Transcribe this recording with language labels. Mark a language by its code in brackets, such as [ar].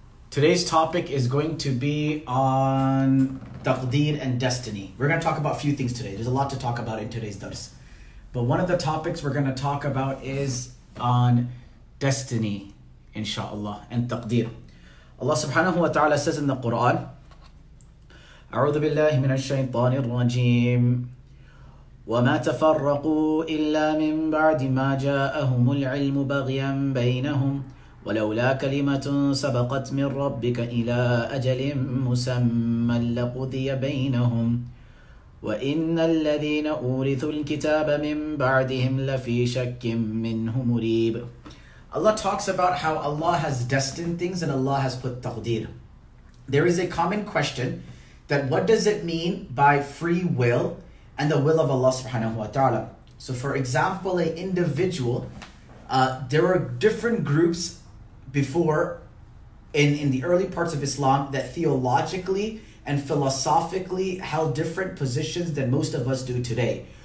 [en] Today's topic is going to be on Taqdeer and destiny. We're going to talk about a few things today. There's a lot to talk about in today's dars. But one of the topics we're going to talk about is on destiny, inshallah, and Taqdeer. Allah subhanahu wa ta'ala says in the Quran, [ar] أعوذ بالله من الشيطان الرجيم وما تفرقوا إلا من بعد ما جاءهم العلم بغيا بينهم ولولا كلمة سبقت من ربك إلى أجل مسمى لقضي بينهم وإن الذين أورثوا الكتاب من بعدهم لفي شك منه مريب. [en] Allah talks about how Allah has destined things and Allah has put taqdeer. There is a common question that what does it mean by free will and the will of Allah subhanahu wa ta'ala. So for example, an individual, there were different groups before in the early parts of Islam that theologically and philosophically held different positions than most of us do today.